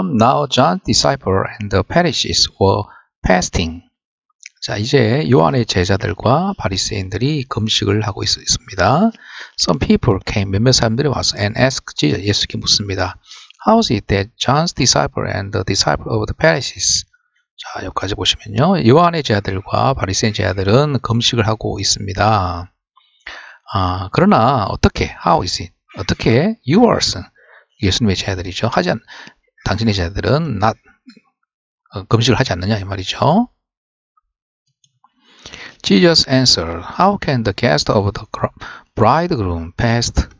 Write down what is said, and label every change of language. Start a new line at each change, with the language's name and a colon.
English: Now John's disciple and the Pharisees were fasting.
Korean: 자, 이제 요한의 제자들과 바리새인들이 금식을 하고 있습니다.
English: Some people came,
Korean: 몇몇 사람들이 와서
English: and asked Jesus,
Korean: 예수께 묻습니다.
English: How is it that John's disciple and the disciple of the Pharisees?
Korean: 자, 여기까지 보시면요. 요한의 제자들과 바리새인 제자들은 금식을 하고 있습니다. 아, 그러나 어떻게,
English: how is it?
Korean: 어떻게,
English: yours,
Korean: 예수님의 제자들이죠. 하지 않, 당신의 제자들은
English: not,
Korean: 금식을 하지 않느냐, 이 말이죠.
English: Jesus answered, how can the guest of the bridegroom fast?